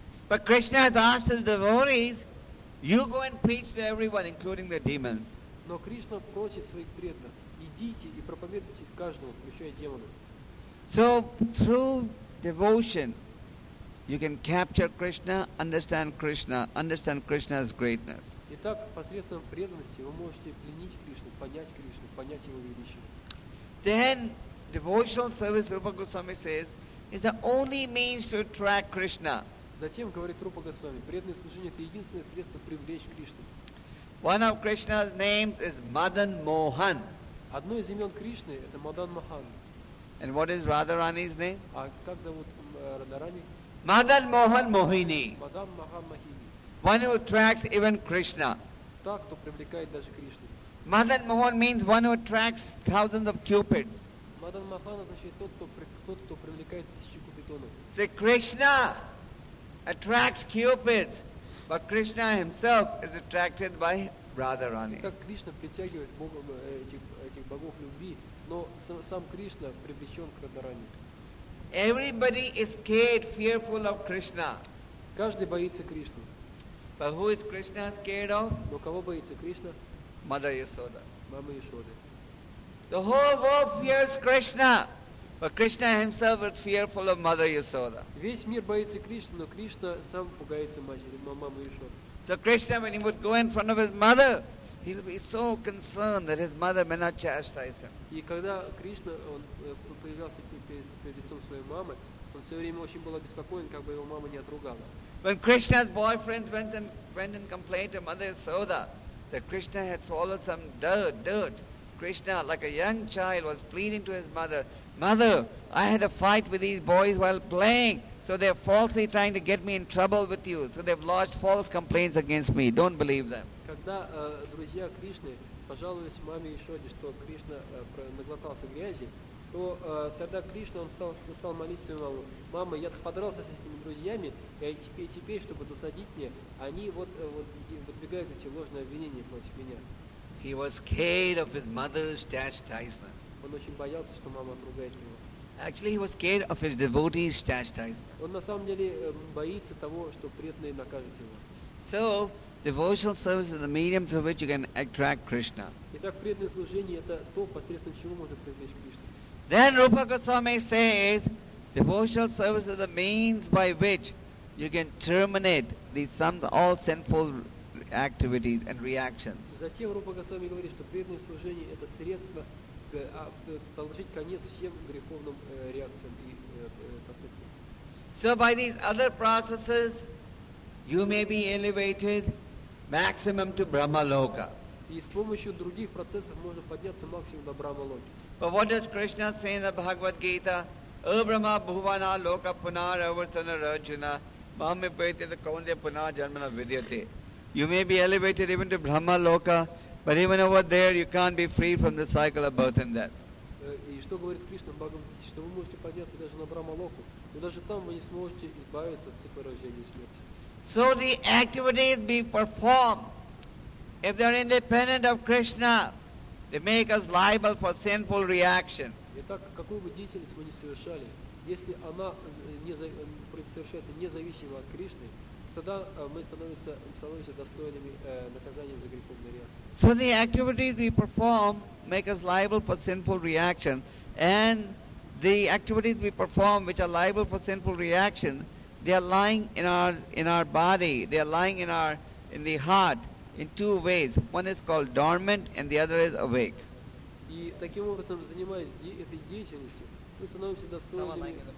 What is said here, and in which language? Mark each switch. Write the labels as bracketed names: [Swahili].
[English] But Krishna has asked his devotees, you go and preach to everyone, including the demons. [Russian] Но Кришна просит своих преданных, идите и проповедуйте каждому, включая демонов. [English] So through devotion, you can capture Krishna, understand Krishna, understand Krishna's greatness. [Russian] Итак, посредством преданности вы можете пленить Кришну, понять его величие. [English] Then devotional service, Rupa Goswami says, is the only means to attract Krishna. [Russian] Затем говорит Рупа Госвами, преданное служение это единственное средство привлечь Кришну. [English] One of Krishna's names is Madan Mohan. [Russian] Одно из имен Кришны это Мадан Махан. [English] And what is Radharani's name? [Russian] А как зовут Радарани? [English] Madan Mohan Mohini. [Russian] Мадан Махан Мохини. [English] One who attracts even Krishna. [Russian] Так, кто привлекает даже Кришну. [English] Madan Mohan means one who attracts thousands of cupids. [Russian] Madan Mohan означает тот, кто привлекает тысячи купидонов. [English] Say Krishna attracts cupids, but Krishna himself is attracted by Radharani. [Russian] Как Кришна притягивает этих богов любви, но сам Кришна привлечен к Радарани. [English] Everybody is scared, fearful of Krishna. [Russian] Каждый боится Кришну. [English] But who is Krishna scared of? [Russian] Но кого боится Кришна? [English] Mother Yasoda. [Russian] Мама Ясоды. [English] The whole world fears Krishna, but Krishna himself is fearful of Mother Yasoda. [Russian] Весь мир боится Кришны, но Кришна сам пугается матери, мамы Ясоды. [English] So Krishna, when he would go in front of his mother, he would be so concerned that his mother may not chastise him. [Russian] И когда Кришна он появлялся перед лицом своей мамы, он все время очень был обеспокоен, как бы его мама не отругала. [English] When Krishna's boyfriend went and complained to Mother Yasoda that Krishna had swallowed some dirt, Krishna, like a young child, was pleading to his mother, Mother, I had a fight with these boys while playing, so they're falsely trying to get me in trouble with you, so they've lodged false complaints against me. Don't believe them. [Russian] Когда друзья Кришны пожаловались маме Ясоде, что Кришна наглотался грязи, то тогда Кришна он стал молить свою маму. Мама, я подрался с этими друзьями, и теперь, чтобы досадить мне, они вот выдвигают эти ложные обвинения против меня. [English] He was scared of his mother's chastisement. [Russian] Он очень боялся, что мама отругает его. [English] Actually, he was scared of his devotee's chastisement. [Russian] Он на самом деле боится того, что преданные накажут его. [English] So, devotional service is the medium through which you can attract Krishna. [Russian] Итак, преданное служение это то, посредством чего можно привлечь Кришну. [English] Then Rupa Goswami says, devotional service is the means by which you can terminate all sinful activities and reactions. [Russian] Затем Рупа Госвами говорит, что преданное служение это средство положить конец всем греховным реакциям и поступкам. [English] So by these other processes, you may be elevated maximum to Brahma Loka. [Russian] И с помощью других процессов можно подняться максимум до Брахма Локи. [English] But what does Krishna say in the Bhagavad Gita? [Sanskrit] O Brahma Bhuvana Loka Punar Avartana Rajana Mahami Paitita Kaunde Punar Janmana Vidyate. [English] You may be elevated even to Brahma Loka, but even over there you can't be free from the cycle of birth and death. [Russian] И что говорит Кришна в Бхагавад Гите? Что вы можете подняться даже на Брахма Локу, но даже там вы не сможете избавиться от цикла рождения и смерти. [English] So the activities being performed, if they are independent of Krishna, they make us liable for sinful reaction. [Russian] Итак, какую бы деятельность мы ни совершали, если она совершается независимо от Кришны, тогда мы становимся достойными наказания за греховную реакцию. [English] So the activities we perform make us liable for sinful reaction, and the activities we perform which are liable for sinful reaction, they are lying in our body, they are lying in the heart in two ways. One is called dormant and the other is awake. [Russian] И таким образом, занимаясь этой деятельностью, мы становимся достойными.